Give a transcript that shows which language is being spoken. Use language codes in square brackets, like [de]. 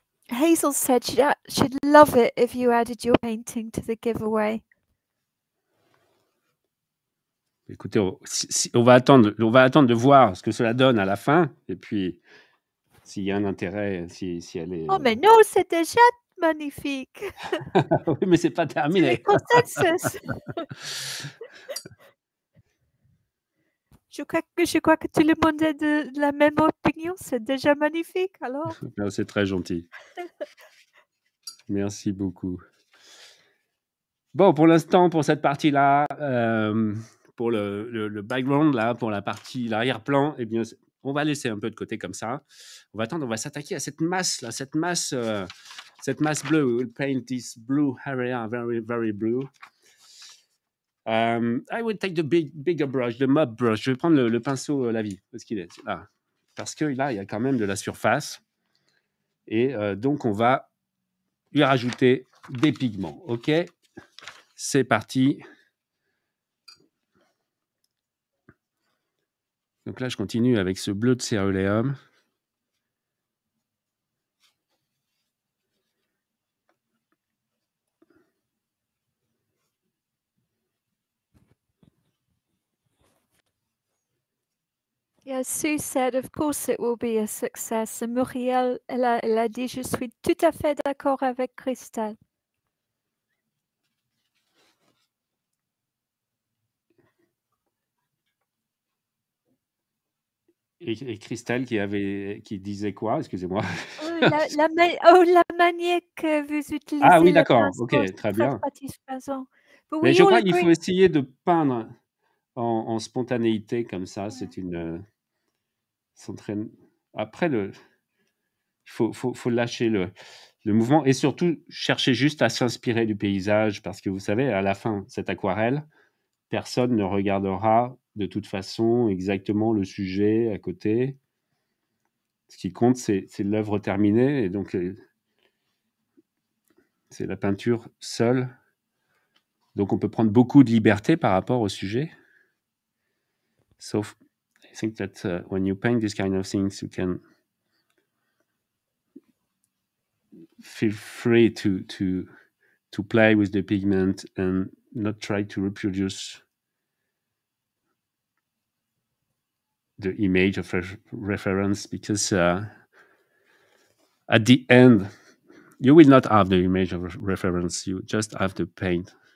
[en] Hazel said she'd love it if you added your painting to the giveaway. [fr] Écoutez, on va attendre de voir ce que cela donne à la fin, et puis s'il y a un intérêt, si elle est. Oh mais non, c'est déjà magnifique. Oui, mais c'est pas terminé. C'est le consensus. Je crois que tout le monde est de la même opinion. C'est déjà magnifique, alors. C'est très gentil. Merci beaucoup. Bon, pour l'instant, pour cette partie-là, pour le background, là, pour la partie, l'arrière-plan, eh bien, on va laisser un peu de côté comme ça. On va attendre, on va s'attaquer à cette masse, là, cette masse bleue. [en] We will paint this blue area very, very blue. I will take the bigger brush, the mop brush. [fr] Je vais prendre le pinceau lavis parce qu'il est là. Parce que là, il y a quand même de la surface. Et donc, on va lui rajouter des pigments. OK, c'est parti. Donc là, je continue avec ce bleu de céruléum. [en] Yes, Sue said, of course it will be a success. [fr] And Muriel, elle a dit, je suis tout à fait d'accord avec Christelle. Et Christelle qui disait quoi? Excusez-moi. La manière que vous utilisez. Ah oui, d'accord. Ok, très bien. Satisfaisant. Mais je crois qu'il faut essayer de peindre en spontanéité comme ça. Ouais. C'est une. Après, il faut lâcher le mouvement et surtout chercher juste à s'inspirer du paysage parce que vous savez, à la fin, cette aquarelle, personne ne regardera de toute façon exactement le sujet à côté. Ce qui compte, c'est l'œuvre terminée et donc c'est la peinture seule. Donc on peut prendre beaucoup de liberté par rapport au sujet. Sauf. [en] I think that when you paint these kind of things, you can feel free to play with the pigment and not try to reproduce the image of reference, because at the end, you will not have the image of reference, you just have to paint.